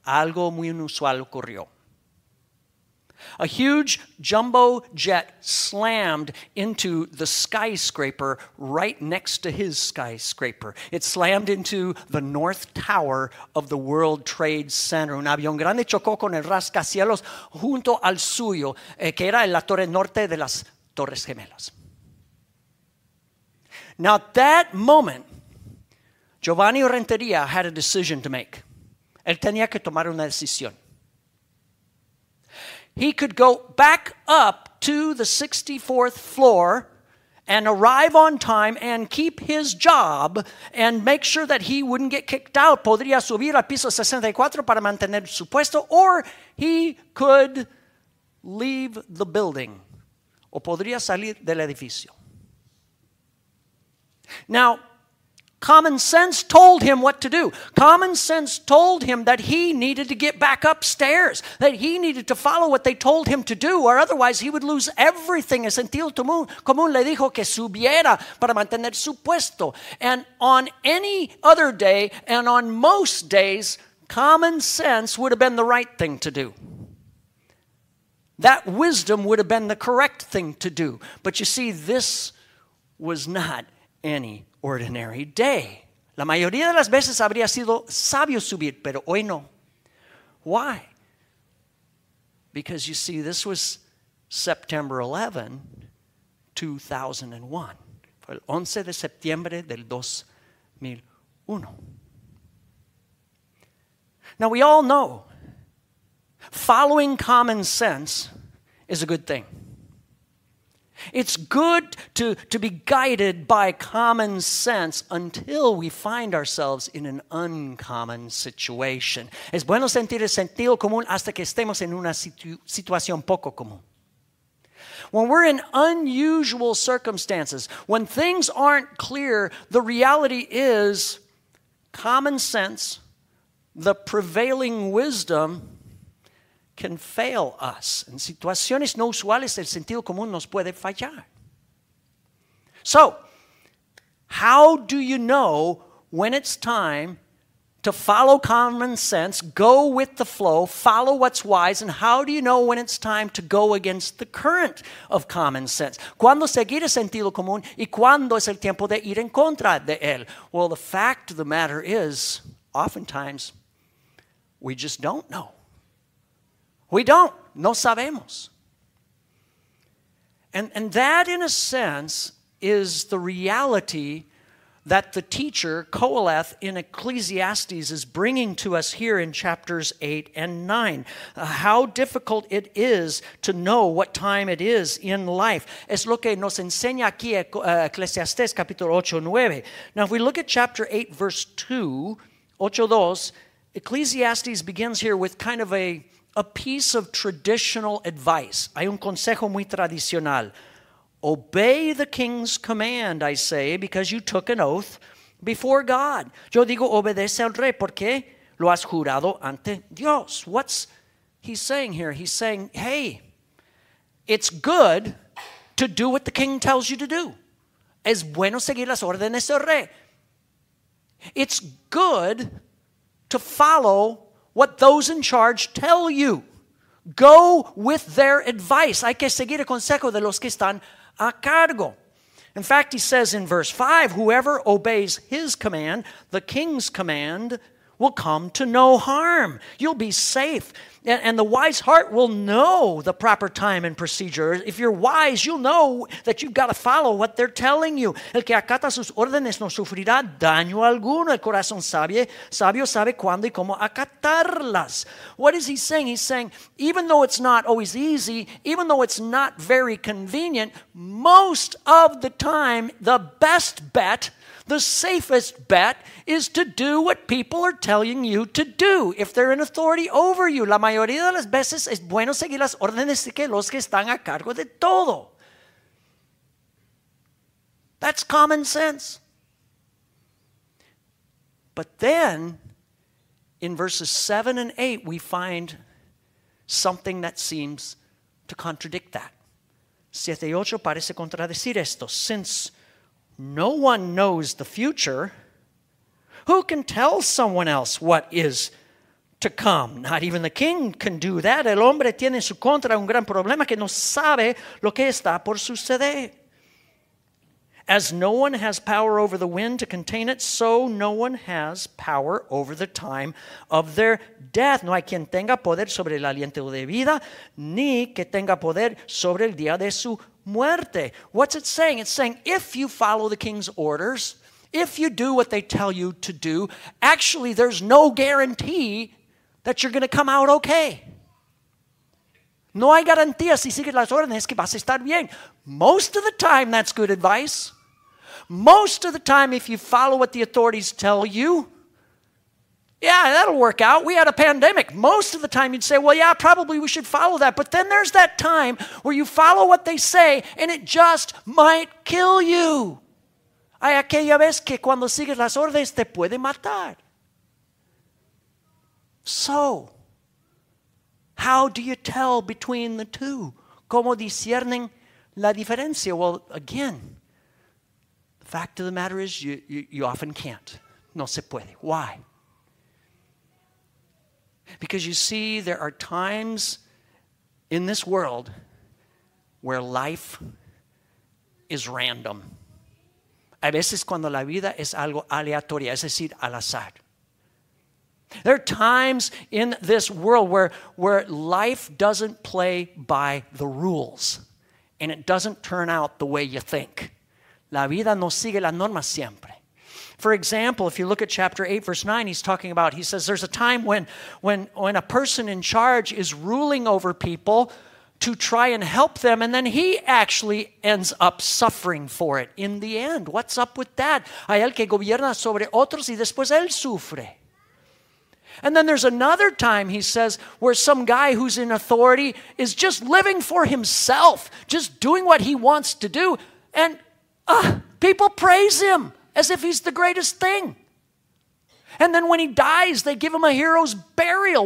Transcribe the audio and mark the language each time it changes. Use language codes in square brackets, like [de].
[es] Algo muy inusual ocurrió. [en] A huge jumbo jet slammed into the skyscraper right next to his skyscraper. It slammed into the North Tower of the World Trade Center. [es] Un avión grande chocó con el rascacielos junto al suyo, que era en la torre norte de las Torres Gemelas. [en] Now, at that moment, Giovanni Renteria had a decision to make. [es] Él tenía que tomar una decisión. [en] He could go back up to the 64th floor and arrive on time and keep his job and make sure that he wouldn't get kicked out. [es] Podría subir al piso 64 para mantener su puesto, [en] or he could leave the building. [es] O podría salir del edificio. [en] Now, common sense told him what to do. Common sense told him that he needed to get back upstairs, that he needed to follow what they told him to do, or otherwise he would lose everything. [es] El sentido común le dijo que subiera para mantener su puesto. [en] And on any other day, and on most days, common sense would have been the right thing to do. That wisdom would have been the correct thing to do. But you see, this was not any ordinary day. [es] La mayoría de las veces habría sido sabio subir, pero hoy no. [en] Why? Because you see, this was September 11, 2001. [es] Fue el 11 de septiembre del 2001. [en] Now we all know following common sense is a good thing. It's good to be guided by common sense until we find ourselves in an uncommon situation. [es] Es bueno sentir el sentido común hasta que estemos en una situación poco común. [en] When we're in unusual circumstances, when things aren't clear, the reality is common sense, the prevailing wisdom, can fail us. [es] En situaciones no usuales, el sentido común nos puede fallar. [en] So, how do you know when it's time to follow common sense, go with the flow, follow what's wise, and how do you know when it's time to go against the current of common sense? [es] ¿Cuándo seguir el sentido común y cuándo es el tiempo de ir en contra de él? [en] Well, the fact of the matter is, oftentimes, we just don't know. We don't. [es] No sabemos. [en] And that, in a sense, is the reality that the teacher, Koheleth, in Ecclesiastes is bringing to us here in chapters 8 and 9. How difficult it is to know what time it is in life. [es] Es lo que nos enseña aquí Ecclesiastes capítulo 8, 9. [en] Now, if we look at chapter 8, verse 2, 8, 2, Ecclesiastes begins here with kind of a piece of traditional advice. [es] Hay un consejo muy tradicional. [en] Obey the king's command, I say, because you took an oath before God. [es] Yo digo, obedece al rey, porque lo has jurado ante Dios. [en] What's he saying here? He's saying, hey, it's good to do what the king tells you to do. [es] Es bueno seguir las órdenes del rey. [en] It's good to follow what those in charge tell you. Go with their advice. [es] Hay que seguir el consejo de los que están a cargo. [en] In fact, he says in verse 5, whoever obeys his command, the king's command, will come to no harm. You'll be safe. And the wise heart will know the proper time and procedure. If you're wise, you'll know that you've got to follow what they're telling you. [es] El que acata sus órdenes no sufrirá daño alguno. El corazón sabio sabe cuándo y cómo acatarlas. [en] What is he saying? He's saying, even though it's not always easy, even though it's not very convenient, most of the time, the best bet, the safest bet, is to do what people are telling you to do. If they're in authority over you, [es] la mayoría de las veces es bueno seguir las órdenes de los que están a cargo de todo. [en] That's common sense. But then, in verses 7 and 8, we find something that seems to contradict that. [es] 7 y 8 parece contradecir esto. [en] Since no one knows the future, who can tell someone else what is to come? Not even the king can do that. [es] El hombre tiene en su contra un gran problema que no sabe lo que está por suceder. [en] As no one has power over the wind to contain it, so no one has power over the time of their death. [es] No hay quien tenga poder sobre el aliento de vida, ni que tenga poder sobre el día de su muerte. [en] What's it saying? It's saying if you follow the king's orders, if you do what they tell you to do, actually there's no guarantee that you're going to come out okay. [es] No hay garantía si sigues las órdenes que vas a estar bien. [en] Most of the time, that's good advice. Most of the time, if you follow what the authorities tell you, yeah, that'll work out. We had a pandemic. Most of the time you'd say, well, yeah, probably we should follow that. But then there's that time where you follow what they say and it just might kill you. [es] Hay aquella vez que cuando sigues las órdenes te puede matar. [en] So, how do you tell between the two? [es] ¿Cómo discernen la diferencia? [en] Well, again, the fact of the matter is you often can't. [es] No se puede. [en] Why? Because you see, there are times in this world where life is random. [es] A veces cuando la vida es algo aleatoria, es decir, al azar. [en] There are times in this world where life doesn't play by the rules and it doesn't turn out the way you think. [es] La vida no sigue la norma siempre. [en] For example, if you look at chapter 8, verse 9, he's talking about, he says, there's a time when a person in charge is ruling over people to try and help them, and then he actually ends up suffering for it in the end. What's up with that? [es] Hay el que gobierna sobre otros y después él sufre. [en] And then there's another time, he says, where some guy who's in authority is just living for himself, just doing what he wants to do, and people praise him as if he's the greatest thing. And then when he dies, they give him a hero's burial.